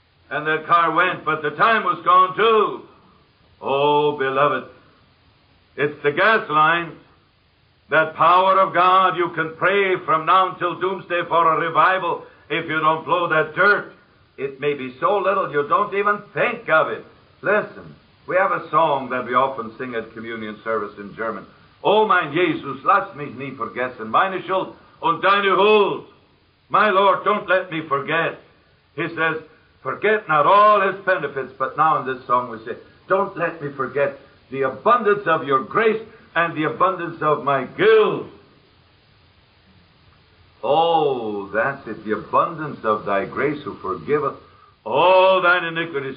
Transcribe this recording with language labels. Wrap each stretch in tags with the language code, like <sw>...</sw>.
<en>And that car went, but the time was gone too. Oh, beloved, it's the gas line, that power of God. You can pray from now until doomsday for a revival if you don't blow that dirt. It may be so little you don't even think of it. Listen, we have a song that we often sing at communion service in German.</en> <de>Oh, mein Jesus, lass mich nie vergessen, meine Schuld und deine Huld.</de> <en>My Lord, don't let me forget. He says, forget not all his benefits, but now in this song we say, don't let me forget the abundance of your grace and the abundance of my guilt. Oh, that's it, the abundance of thy grace who forgiveth all thine iniquities.</en>